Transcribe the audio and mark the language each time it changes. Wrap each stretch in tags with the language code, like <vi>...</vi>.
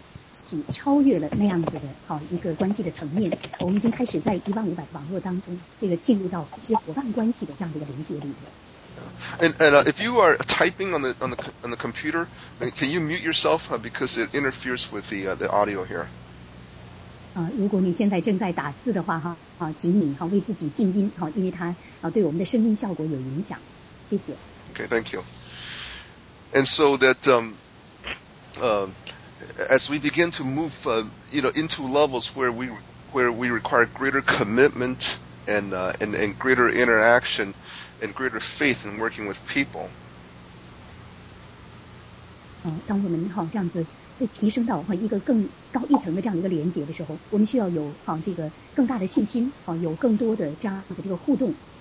<zh>起超越了那样子的好一个关系的层面，我们已经开始在1500网络当中这个进入到一些伙伴关系的这样的一个连接里面。</zh> <en>And if you are typing on the computer, can you mute yourself because it interferes with the audio here?</en> <zh>啊，如果你现在正在打字的话，哈，啊，请你哈为自己静音，哈，因为它啊对我们的声音效果有影响。谢谢。</zh> <en>Okay, thank you. And so that as we begin to move, into levels where we require greater commitment and greater interaction. And greater faith in working with people.</en> <zh>当我们好这样子被提升到一个更高一层的这样一个连接的时候，我们需要有好这个更大的信心，好有更多的这样的这个互动。</zh>